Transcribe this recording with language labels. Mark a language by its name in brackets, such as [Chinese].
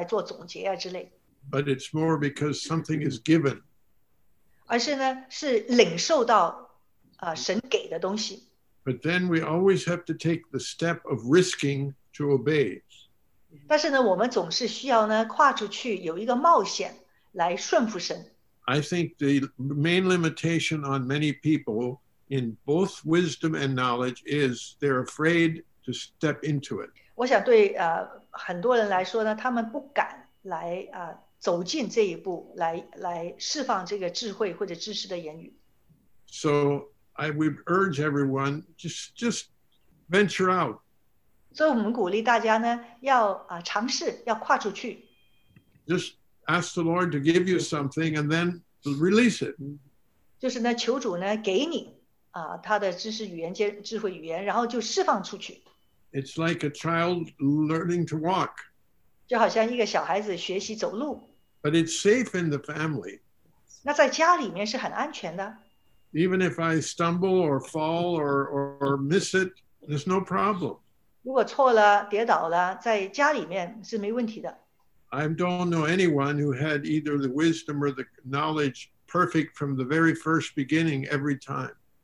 [Chinese] 不是因为呢，别人在分享的时候呢，我一直在想要怎么样来做总结啊之类。 [English] But it's more because something is given. [Chinese] 而是呢，是领受到神给的东西。 [English] But then we always have to take the step of risking to obey. [Chinese] 但是呢，我们总是需要呢跨出去，有一个冒险来顺服神。 [English] I think the main limitation on many people in both wisdom and knowledge is they're afraid to step into it. [Chinese] 我想对 很多人来说呢, 他们不敢来 走进这一步, 来释放这个智慧或者知识的言语。 [English] So I would urge everyone, just venture out. [Chinese] 所以我们鼓励大家呢, 要 尝试, 要跨出去。 [English] Just ask the Lord to give you something and then release it. [Chinese] 就是呢, 求主呢, 给你。他的知识语言、智慧语言，然后就释放出去。 [English] It's like a child learning to walk. [Chinese] 就好像一个小孩子学习走路。 [English] But it's safe in the family. [Chinese] 那在家里面是很安全的。 [English] Even if I stumble or fall or miss it, there's no problem. [Chinese] 如果错了、跌倒了，在家里面是没问题的。 [English] I don't know anyone who had either the wisdom or the knowledge perfect from the very first beginning every time.